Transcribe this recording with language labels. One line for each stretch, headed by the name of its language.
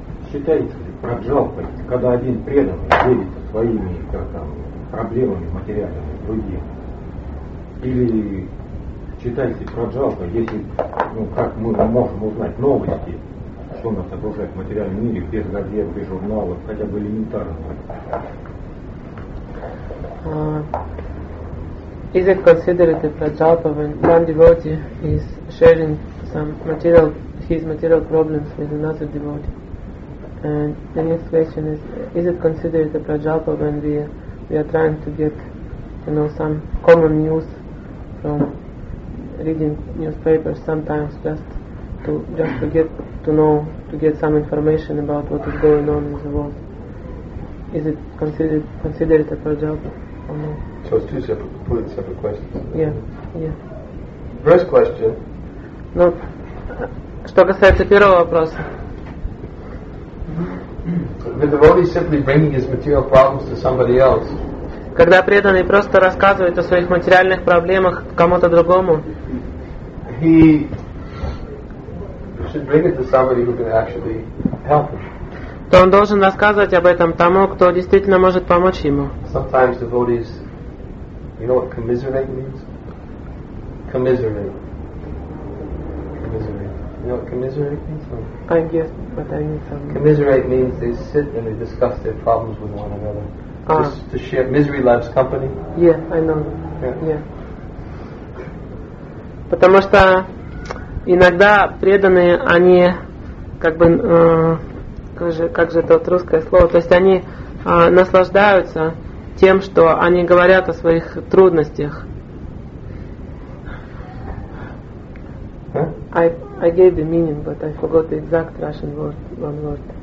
Russian: Считается ли проджалпой, когда один преданный делится своими проблемами материальными с другим? Или считается ли проджалпой, если, ну, как мы можем узнать новости, что нас окружает в материальном мире, без газет, без журналов, хотя бы элементарно?
English: Is it considered a prajalpa when one devotee is sharing some material, his material problems with another devotee? And the next question is it considered a prajalpa when we are trying to get, you know, some common news from reading newspapers sometimes just to get some information about what is going on in the world? Is it considered a prajalpa? So it's two separate, completely separate questions. Yeah. First question.
Russian: Ну, что касается первого вопроса.
English: The devotee is simply bringing his material problems to somebody else.
Russian: Когда преданный просто рассказывает о своих материальных проблемах кому-то другому.
English: He should bring it to somebody who can actually help him. То он должен рассказывать об этом тому, кто действительно может помочь ему. Sometimes devotees, you know what commiserate means? Commiserate. You know what commiserate means? I guess, but I mean commiserate means they sit and they discuss their problems with one another. Just to share, misery loves company. Yeah, I know. Yeah.
Russian: Потому что иногда преданные, они как бы... Как же это вот русское слово? То есть они наслаждаются тем, что они говорят о своих трудностях.
English: Huh? I gave the meaning, but I forgot the exact Russian word, one word.